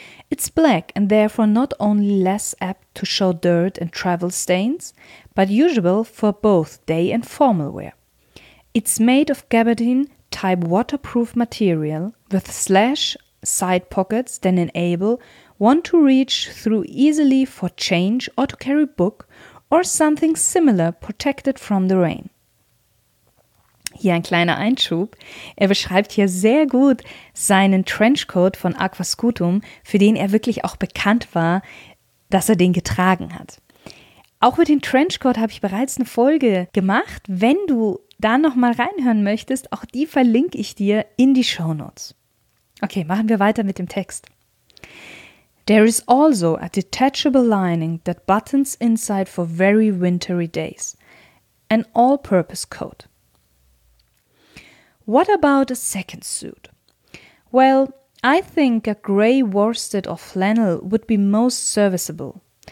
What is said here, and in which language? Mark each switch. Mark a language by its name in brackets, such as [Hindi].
[English] It's black and therefore not only less apt to show dirt and travel stains, but usual for both day and formal wear. It's made of gabardine type waterproof material with slash side pockets that enable one to reach through easily for change or to carry book or something similar protected from the rain. [German] Hier ein kleiner Einschub. Er beschreibt hier sehr gut seinen Trenchcoat von Aquascutum, für den er wirklich auch bekannt war, dass er den getragen hat. Auch mit dem Trenchcoat habe ich bereits eine Folge gemacht. Wenn du da nochmal reinhören möchtest, auch die verlinke ich dir in die Shownotes. Okay, machen wir weiter mit dem Text. [English] There is also a detachable lining that buttons inside for very wintry days. An all-purpose coat. What about a second suit? Well, I think a grey worsted or flannel would be most serviceable.